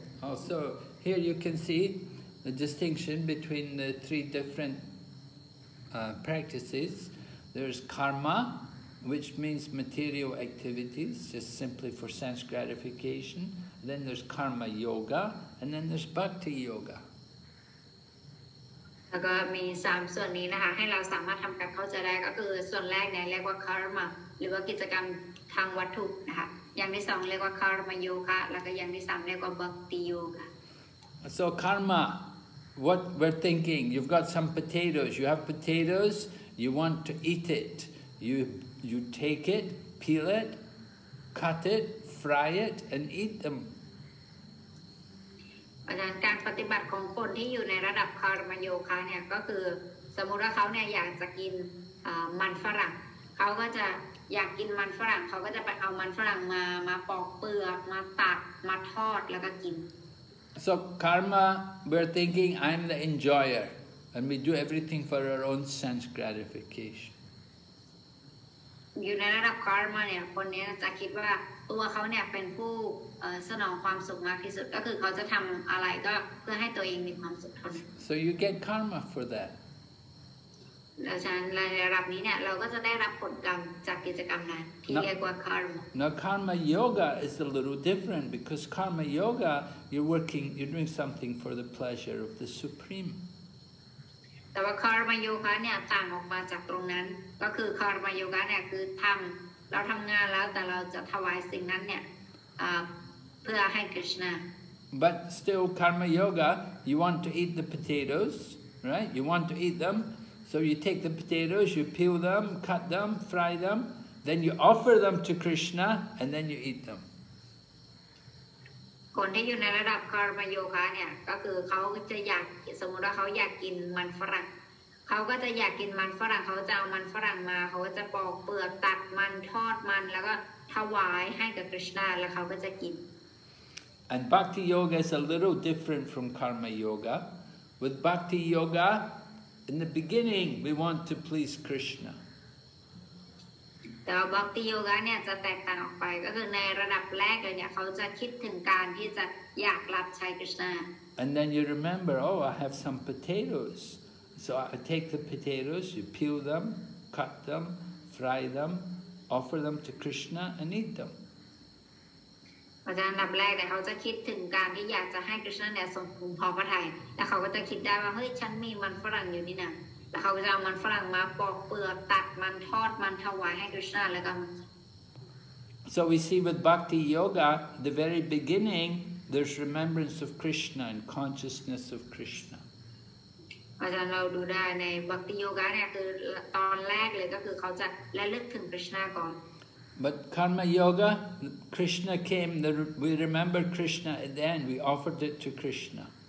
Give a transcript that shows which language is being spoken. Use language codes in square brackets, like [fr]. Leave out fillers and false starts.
[en] Oh, so here you can see the distinction between the three different practices. There's karma. Which means material activities, just simply for sense gratification. Then there's karma yoga, and then there's bhakti yoga. [th] แล้วก็มีสามส่วนนี้นะคะให้เราสามารถทำการเข้าใจได้ก็คือส่วนแรกเนี่ยเรียกว่า karma หรือว่ากิจกรรมทางวัตถุนะคะอย่างที่สองเรียกว่า karma yoga แล้วก็อย่างที่สามเรียกว่า bhakti yoga. [en] So karma, what we're thinking, you've got some potatoes. You have potatoes. You want to eat it. You take it, peel it, cut it, fry it, and eat them. [th] การปฏิบัติของคนที่อยู่ในระดับคาร์มโยคะเนี่ยก็คือสมมุติว่าเขาเนี่ยอยากจะกินมันฝรั่งเขาก็จะอยากกินมันฝรั่งเขาก็จะไปเอามันฝรั่งมาปอกเปลือกมาตักมาทอดแล้วก็กิน [en] So karma, we're thinking I'm the enjoyer, and we do everything for our own sense gratification. [th] อยู่ในระดับคาร์มาเนี่ยคนนี้จะคิดว่าตัวเขาเนี่ยเป็นผู้สนองความสุขมากที่สุดก็คือเขาจะทำอะไรก็เพื่อให้ตัวเองมีความสุขเท่านั้น [en] So you get karma for that [th] แล้วฉะนั้นในระดับนี้เนี่ยเราก็จะได้รับผลกรรมจากกิจกรรมนั้นที่เรียกว่าคาร์มา [en] Now karma yoga is a little different because karma yoga you're working you're doing something for the pleasure of the supreme [th] แต่ว่าคาร์มาโยคะเนี่ยต่างออกมาจากตรงนั้นก็คือคาร์มาโยคะเนี่ยคือเราทำงานแล้วแต่เราจะถวายสิ่งนั้นเนี่ยเพื่อให้กฤษณะ [en] But still karma yoga you want to eat the potatoes right you want to eat them so you take the potatoes you peel them cut them fry them then you offer them to Krishna and then you eat them [th] คนที่อยู่ในระดับคาร์มาโยคะเนี่ยก็คือเขาจะอยากสมมติว่าเขาอยากกินมันฝรั่งเขาก็จะอยากกินมันฝรั่งเขาจะเอามันฝรั่งมาเขาก็จะปอกเปลือกตัดมันทอดมันแล้วก็ถวายให้กับกฤษณะแล้วเขาก็จะกิน [en] And bhakti yoga is a little different from karma yoga. With bhakti yoga, in the beginning, we want to please Krishna. [th] แต่ว่าบักติโยคะเนี่ยจะแตกต่างออกไปก็คือในระดับแรกเลยเนี่ยเขาจะคิดถึงการที่จะอยากรับใช้คริสต์นา [en] And then you remember, oh, I have some potatoes. So I take the potatoes, you peel them, cut them, fry them, offer them to Krishna and eat them. [th] อาจารย์ลำแรกเนี่ยเขาจะคิดถึงการที่อยากจะให้คริสต์นาเนี่ยทรงภูมิพอพระทัยแล้วเขาก็จะคิดได้ว่าเฮ้ยฉันมีมันฝรั่งอยู่นี่นะแล้วเขาก็จะเอามันฝรั่งมาปอกเปลือกตัดมันทอดมันถวายให้คริสต์นาแล้วก็ [en] So we see with Bhakti Yoga, the very beginning,There's remembrance of Krishna and consciousness of Krishna. But karma yoga, Krishna came, we remember Krishna at the end, we offered it to Krishna.